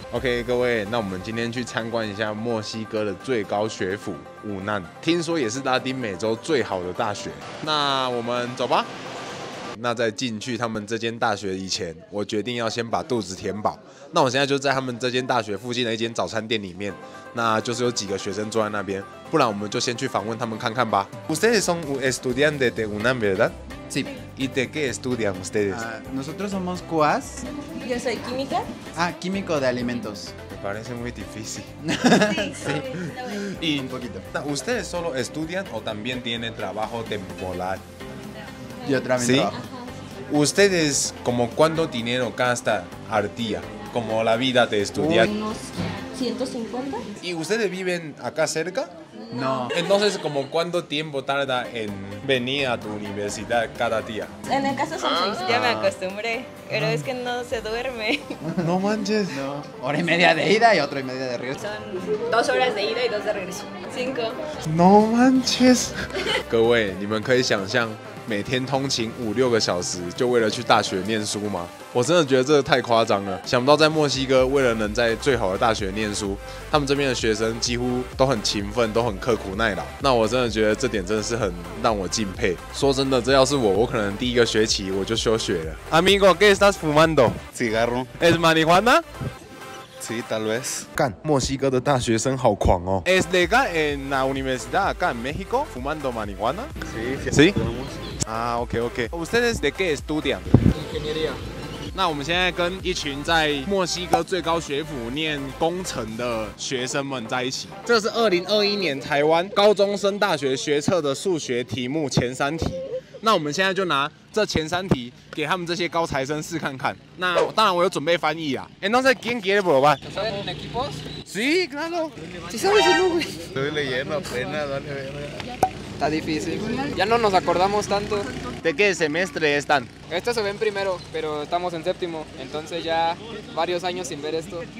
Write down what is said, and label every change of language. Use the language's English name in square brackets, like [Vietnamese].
[Chinese] OK, 各位，那我们今天去参观一下墨西哥的最高学府武难，听说也是拉丁美洲最好的大学。那我们走吧。那在进去他们这间大学以前，我决定要先把肚子填饱。那我现在就在他们这间大学附近的一间早餐店里面，那就是有几个学生坐在那边，不然我们就先去访问他们看看吧。 [Spanish] Ustedes son estudiantes de UNAM, ¿verdad? Sí. ¿Y de qué estudian ustedes? Nosotros somos QAS. Yo soy química. Ah, químico de alimentos. Me parece muy difícil. Sí, sí. Un poquito. ¿Ustedes solo estudian o también tienen trabajo temporal? Y otra vez. ¿Sí? ¿Ustedes como cuánto dinero gasta al día? Como la vida de estudiante. Unos 150. ¿Y ustedes viven acá cerca? No. Entonces, ¿como cuánto tiempo tarda en venir a tu universidad cada día? En el caso son 6. Ya me acostumbré, pero es que no se duerme. No manches. No. Hora y media de ida y otra y media de regreso. Son 2 horas de ida y 2 de regreso. 5. No manches. [Chinese] 各位，你们可以想象每天通勤5-6个小时，就为了去大学念书吗？我真的觉得这个太夸张了。想不到在墨西哥，为了能在最好的大学念书，他们这边的学生几乎都很勤奋，都很刻苦耐劳。那我真的觉得这点真的是很让我敬佩。说真的，这要是我，我可能第一个学期我就休学了。 [Spanish] Amigo, ¿qué estás fumando? Cigarro. ¿Es marihuana? Sí, tal vez. [Chinese] 干，墨西哥的大学生好狂哦。 [Spanish] ¿Es legal en la universidad acá en México fumando marihuana? Sí. Sí. Ok. ¿Ustedes de qué estudian? Ingeniería. [Chinese] 那我们现在跟一群在墨西哥最高学府念工程的学生们在一起。这是2021年台湾高中生大学学测的数学题目前三题。那我们现在就拿这前三题给他们这些高材生试看看。那当然我有准备翻译啊。 [Spanish] Entonces, ¿quién quiere probar? ¿Saben un equipo? Sí, claro. ¿Sí sabes el nombre? Estoy leyendo apenas, dale verga. Está difícil. Ya no nos acordamos tanto. ¿De qué semestre están? Esto se ve en primero, pero estamos en séptimo. Entonces ya varios años sin ver esto.